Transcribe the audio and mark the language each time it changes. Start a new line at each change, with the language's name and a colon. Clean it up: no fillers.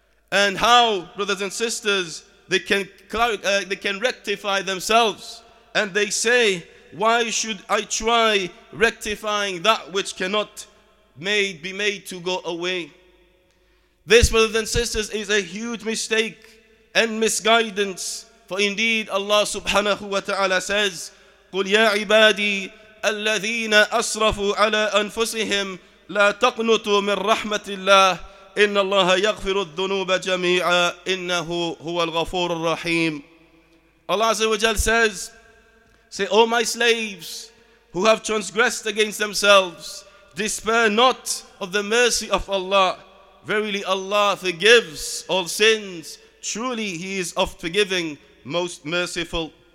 English: And how, brothers and sisters, they can rectify themselves, and they say, why should I try rectifying that which cannot be made to go away? This, brothers and sisters, is a huge mistake and misguidance.
Arabic: For indeed, Allah subhanahu wa ta'ala says, قُلْ يَا عِبَادِي أَلَّذِينَ أَصْرَفُوا عَلَىٰ أَنفُسِهِمْ لَا تَقْنُطُوا مِنْ رَحْمَةِ اللَّهِ إِنَّ اللَّهَ يَغْفِرُ الذُّنُوبَ جَمِيعًا إِنَّهُ هُوَ الْغَفُورُ الرَّحِيمُ.
English: Allah Azza wa Jal says, say, O my slaves who have transgressed against themselves, despair not of the mercy of Allah. Verily Allah forgives all sins. Truly He is of forgiving, most merciful.